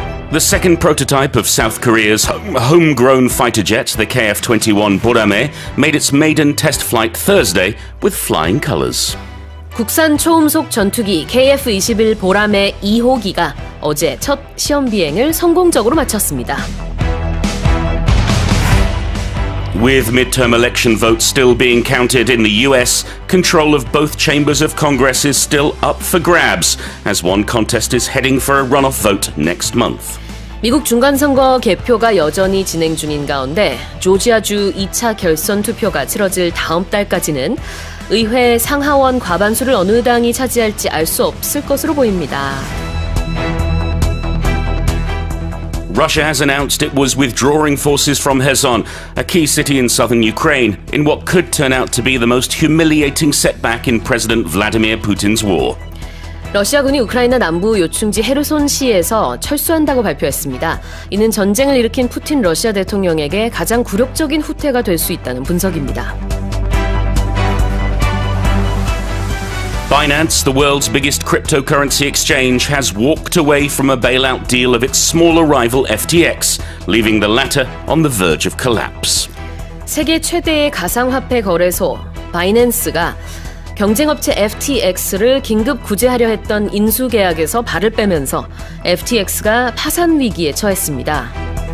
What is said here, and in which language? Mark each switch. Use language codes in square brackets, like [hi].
[en] The second prototype of South Korea's homegrown fighter jet, the KF-21 Boramae, made its maiden test flight Thursday with flying colors. [ko] 국산 초음속 전투기 KF-21 보람의 2호기가 어제 첫 시험 비행을 성공적으로 마쳤습니다. [en] With midterm election votes still being counted in the US, control of both chambers of Congress is still up for grabs as one contest is heading for a runoff vote next month. [ko] 미국 중간선거 개표가 여전히 진행 중인 가운데 조지아주 2차 결선 투표가 치러질 다음 달까지는 의회 상하원 과반수를 어느 당이 차지할지 알 수 없을 것으로 보입니다. [en] Russia has announced it was withdrawing forces from Kherson, a key city in southern Ukraine, in what could turn out to be the most humiliating setback in President Vladimir Putin's war. [ko] 러시아군이 우크라이나 남부 요충지 헤르손시에서 철수한다고 발표했습니다. 이는 전쟁을 일으킨 푸틴 러시아 대통령에게 가장 굴욕적인 후퇴가 될 수 있다는 분석입니다. [en] Binance, the world's biggest cryptocurrency exchange, has walked away from a bailout deal of its smaller rival FTX, leaving the latter on the verge of collapse. [ko] 세계 최대의 가상화폐 거래소 바이낸스가 경쟁업체 FTX를 긴급 구제하려 했던 인수 계약에서 발을 빼면서 FTX가 파산 위기에 처했습니다.